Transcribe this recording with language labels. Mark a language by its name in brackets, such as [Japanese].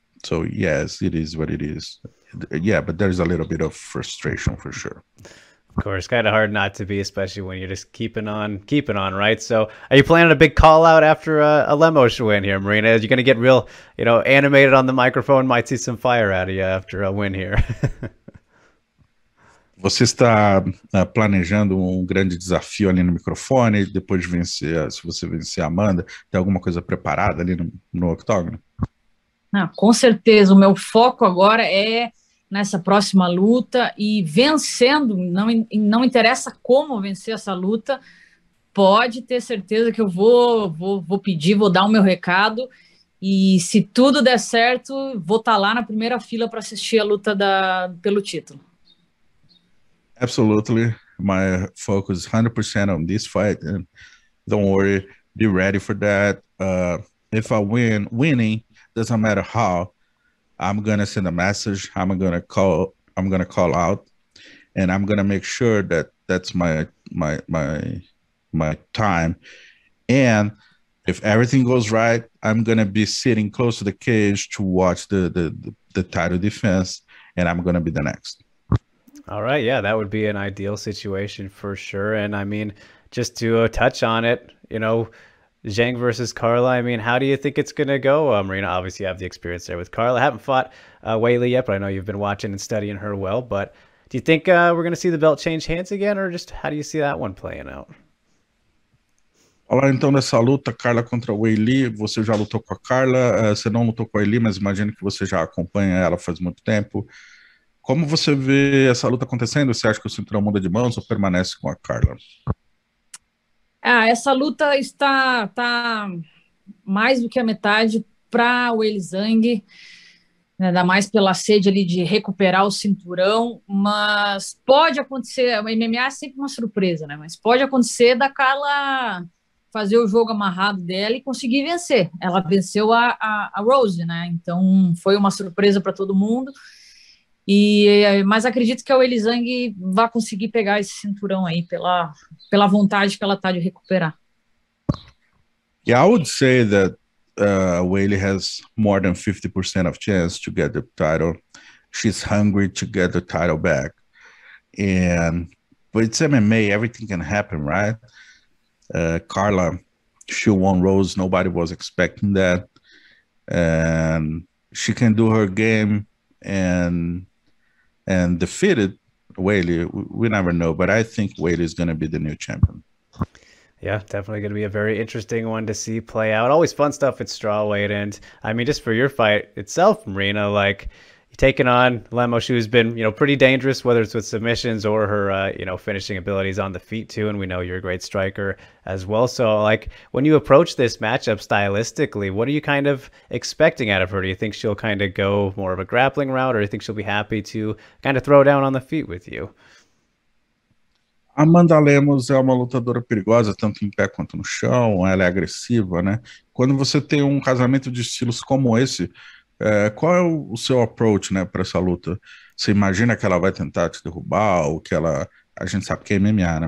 [English] So yes, it is what it is. Yeah, but there's a little bit of frustration for sure. Of course, kind of hard not to be, especially when you're just keeping on, right? So are you planning a big call out after a Lemos win here, Marina? Are you going to get real, you know, animated on the microphone? Might see some fire out of you after a win here. [Portuguese] Você está planejando um grande desafio ali no microfone, depois de vencer, se você vencer a Amanda, tem alguma coisa preparada ali no octógono? Com certeza, o meu foco agora é nessa próxima luta e vencendo, não interessa como vencer essa luta, pode ter certeza que eu vou pedir, vou dar o meu recado e se tudo der certo, vou estar lá na primeira fila para assistir a luta pelo título. [English] Absolutely, my focus is 100% on this fight, and don't worry, be ready for that. If I win, winning doesn't matter how, I'm gonna send a message, I'm gonna call out, and I'm gonna make sure that that's my time. And if everything goes right, I'm gonna be sitting close to the cage to watch the title defense, and I'm gonna be the next. All right, yeah, that would be an ideal situation for sure. And I mean, just to touch on it, you know, Zhang versus Carla, I mean, how do you think it's going to go? Marina, obviously you have the experience there with Carla. I haven't fought Weili yet, but I know you've been watching and studying her well. But do you think we're going to see the belt change hands again, or just how do you see that one playing out? [Portuguese] Olá, então nessa luta, Carla contra Weili, você já lutou com a Carla, você não lutou com a Weili, mas imagino que você já acompanha ela faz muito tempo. Como você vê essa luta acontecendo? Você acha que o cinturão muda de mãos ou permanece com a Carla? Ah, essa luta está mais do que a metade para o Weili Zhang, né? Ainda mais pela sede ali de recuperar o cinturão, mas pode acontecer, o MMA é sempre uma surpresa, né? Mas pode acontecer da Carla fazer o jogo amarrado dela e conseguir vencer. Ela venceu a Rose, né? Então foi uma surpresa para todo mundo. Mas acredito que a Weili Zhang vai conseguir pegar esse cinturão aí pela vontade que ela tá de recuperar. [English] Yeah, I would say that Weili has more than 50% of chance to get the title. She's hungry to get the title back. But it's MMA, everything can happen, right? Carla, she won Rose, nobody was expecting that. And she can do her game and defeated Weili, we never know, but I think Weili is going to be the new champion. Yeah, definitely going to be a very interesting one to see play out. Always fun stuff at strawweight. And I mean, just for your fight itself, Marina, like taking on Lemos, who's been, you know, pretty dangerous, whether it's with submissions or her, you know, finishing abilities on the feet too. And we know you're a great striker as well. So like when you approach this matchup stylistically, what are you kind of expecting out of her? Do you think she'll kind of go more of a grappling route, or do you think she'll be happy to kind of throw down on the feet with you? [Portuguese] Amanda Lemos é uma lutadora perigosa, tanto em pé quanto no chão. Ela é agressiva, né? Quando você tem um casamento de estilos como esse, qual é o seu approach, né, para essa luta? Você imagina que ela vai tentar te derrubar ou que ela... A gente sabe que é MMA, né?